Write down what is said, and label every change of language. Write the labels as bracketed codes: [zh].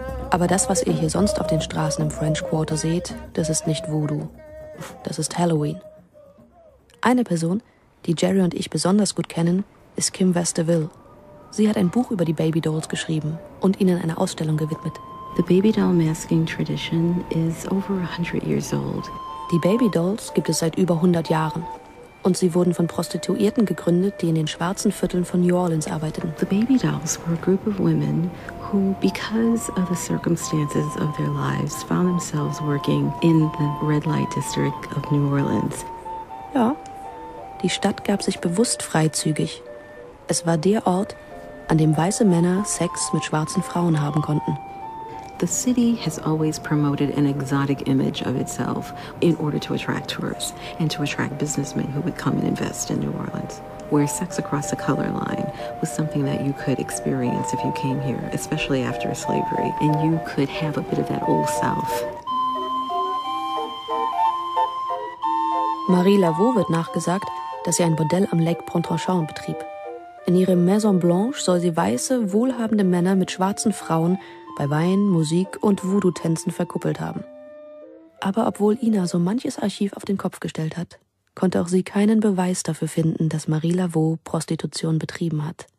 [de] Aber das, was ihr hier sonst auf den Straßen im French Quarter seht, das ist nicht Voodoo. Das ist Halloween. Eine Person, die Jerry und ich besonders gut kennen, ist Kim Westerville. Sie hat ein Buch über die Baby Dolls geschrieben und ihnen eine Ausstellung gewidmet. [en] The Baby Doll Masking Tradition is over 100 years old. [de] Die Baby Dolls gibt es seit über 100 Jahren. Und sie wurden von Prostituierten gegründet, die in den schwarzen Vierteln von New Orleans arbiteten. [en] The Baby Dolls were a group of women who, because of the circumstances of their lives, found themselves working in the red light district of New Orleans. [de] Ja, die Stadt gab sich bewusst freizügig. Es war der Ort, an dem weiße Männer Sex mit schwarzen Frauen haben konnten. [en] The city has always promoted an exotic image of itself in order to attract tourists and to attract businessmen who would come and invest in New Orleans, where sex across the color line was something that you could experience if you came here, especially after slavery, and you could have a bit of that old South. [de] Marie Laveau wird nachgesagt, dass sie ein Bordell am Lake Pontchartrain betrieb. In ihrer Maison Blanche soll sie weiße, wohlhabende Männer mit schwarzen Frauen bei Wein, Musik und Voodoo-Tänzen verkuppelt haben. Aber obwohl Ina so manches Archiv auf den Kopf gestellt hat, konnte auch sie keinen Beweis dafür finden, dass Marie Laveau Prostitution betrieben hat.